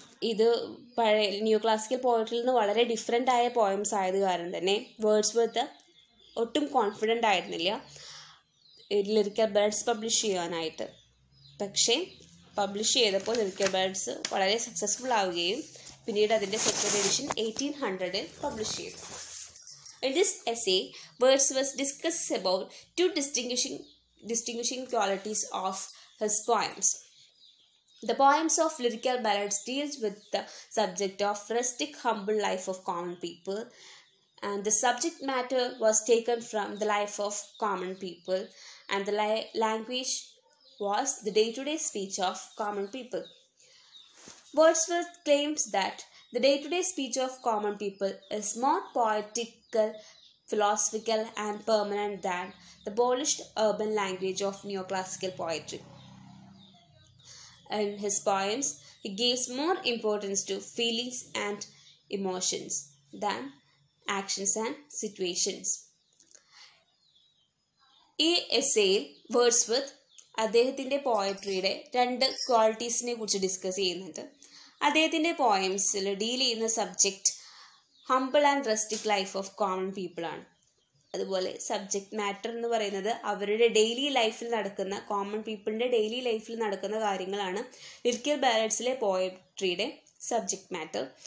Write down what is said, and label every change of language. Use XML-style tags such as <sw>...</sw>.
<ml>ഇത് പഴയ new classical പോയട്രിയിൽ നിന്ന് വളരെ ഡിഫറെൻ്റ് ആയ പോയിംസ് ആയത് കാരണം തന്നെ വേർഡ്സ്വർത്ത് ഒട്ടും കോൺഫിഡൻ്റ് ആയിരുന്നില്ല ലിറിക്കൽ ബാലൻസ് പബ്ലിഷ് ചെയ്യാനായിട്ട്. പക്ഷേ പബ്ലിഷ് ചെയ്തപ്പോൾ ലിറിക്കൽ ബാലൻസ് വളരെ സക്സസ്ഫുൾ ആവുകയും പിന്നീട് അതിൻ്റെ സെക്കൻഡ് എഡിഷൻ 1800 പബ്ലിഷ് ചെയ്തു.</ml> <en>In this essay, Wordsworth discusses about two distinguishing qualities of his poems. The poems of Lyrical Ballads deals with the subject of rustic, humble life of common people, and the subject matter was taken from the life of common people, and the language was the day-to-day speech of common people. Wordsworth claims that the day-to-day speech of common people is more poetical, philosophical, and permanent than the polished urban language of neoclassical poetry. In his poems, he gives more importance to feelings and emotions than actions and situations.</en> <ml>ഈ എസ്സേയിൽ Wordsworth അദ്ദേഹത്തിൻ്റെ പോയട്രിയുടെ രണ്ട് ക്വാളിറ്റീസിനെ കുറിച്ച് discuss ചെയ്യുന്നുണ്ട്. അദ്ദേഹത്തിൻ്റെ പോയംസിൽ deal ചെയ്യുന്ന subject</ml> <en>Humble and rustic life of common പീപ്പിളാണ്.</en> <ml>അതുപോലെ subject matter എന്ന് പറയുന്നത് അവരുടെ ഡെയിലി ലൈഫിൽ നടക്കുന്ന കോമൺ പീപ്പിളിൻ്റെ ഡെയിലി ലൈഫിൽ നടക്കുന്ന കാര്യങ്ങളാണ് ലിറിക്കൽ ബാലൻസിലെ പോയട്രിയുടെ സബ്ജക്ട് മാറ്റർ.</ml>